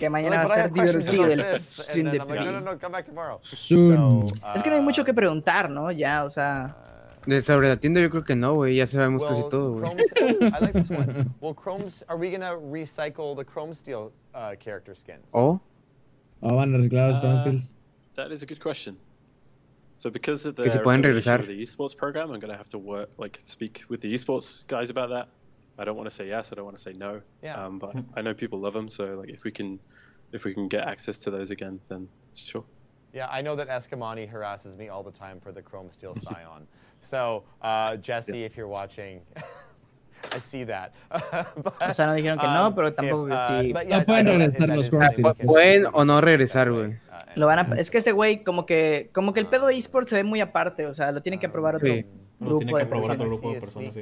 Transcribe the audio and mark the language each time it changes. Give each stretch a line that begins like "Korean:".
Spanish: Que mañana like, va a estar divertido el stream de
English: PvE. No, come back tomorrow. Soon. So,
Spanish: es que no hay mucho que preguntar, ¿no? Ya, o sea... Sobre la tienda yo creo que no, güey. Ya sabemos casi todo, güey.
English: I like this one. Well, Chrome's... Are we going to recycle the Chrome Steel character skins? Oh.
Spanish: Oh, van a reciclar los Chrome Steels.
English: That is a good question. So because of the regulation of the esports program, I'm going to have to work, like, speak with the esports guys about that. I don't want to say yes. I don't want to say no. Yeah. But I know people love them. So, like, if we can get access to those again, then sure. Yeah, I know that Eskimani harasses me all the time for the Chrome Steel Scion. So, Jesse, yeah. If you're watching... I see that.
Spanish: O sea, no dijeron que no, pero tampoco que sí. No pueden regresar los Chromesteels. Pueden o no regresar, güey. Es que ese güey, como que el pedo eSports se ve muy aparte. O sea, lo tienen que aprobar otro grupo de personas. Tiene que aprobar otro grupo de personas, sí.